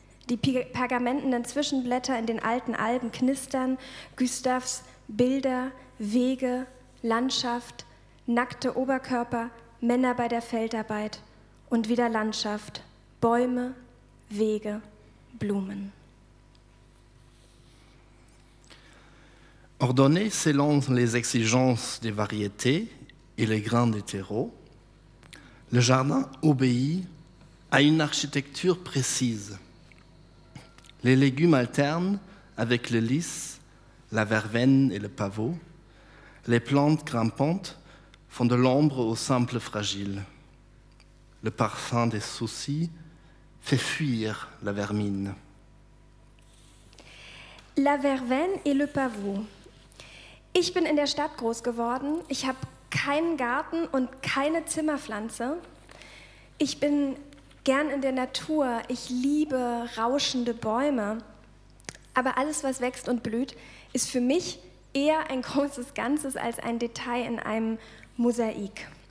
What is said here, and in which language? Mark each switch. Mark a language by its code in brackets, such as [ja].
[de] Die pergamentenen Zwischenblätter in den alten Alben knistern. Gustavs Bilder, Wege, Landschaft, nackte Oberkörper, Männer bei der Feldarbeit und wieder Landschaft, Bäume, Wege, Blumen. [fr] Ordonné selon les exigences des variétés et les grains des terreaux, le jardin obéit à une architecture précise. Les légumes alternent avec le lys, la verveine et le pavot. Les plantes grimpantes font de l'ombre aux simples fragiles. Le parfum des soucis fait fuir la vermine. La verveine et le pavot. [de] Ich bin in der Stadt groß geworden. Ich habe keinen Garten und keine Zimmerpflanze. Ich bin gern in der Natur. Ich liebe rauschende Bäume. Aber alles, was wächst und blüht, ist für mich eher ein großes Ganzes als ein Detail in einem Mosaik.